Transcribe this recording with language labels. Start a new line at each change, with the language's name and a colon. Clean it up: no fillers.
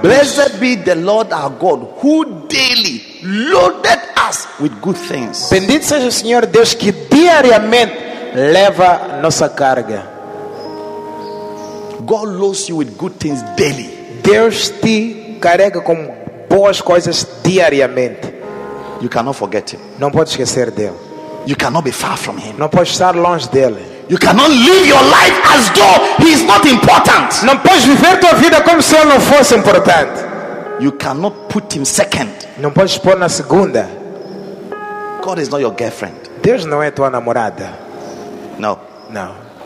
English: Blessed be the Lord our God who daily loaded us with good things.
Portuguese: Bendito seja o Senhor Deus que diariamente leva nossa carga.
English: God loads you with good things daily.
Portuguese: Deus te carrega com boas coisas diariamente.
English: You cannot forget him.
Portuguese: Não pode esquecer dele.
English: You cannot be far from him.
Portuguese: Não pode estar longe dele.
English: You cannot live your life as though he is not important.
Portuguese: Não pode viver tua vida como se ele não fosse importante.
English: You cannot put him second.
Portuguese: Não pode pôr na segunda.
English: God is not your girlfriend.
Portuguese: Deus não é tua namorada.
English: No.
Portuguese: No.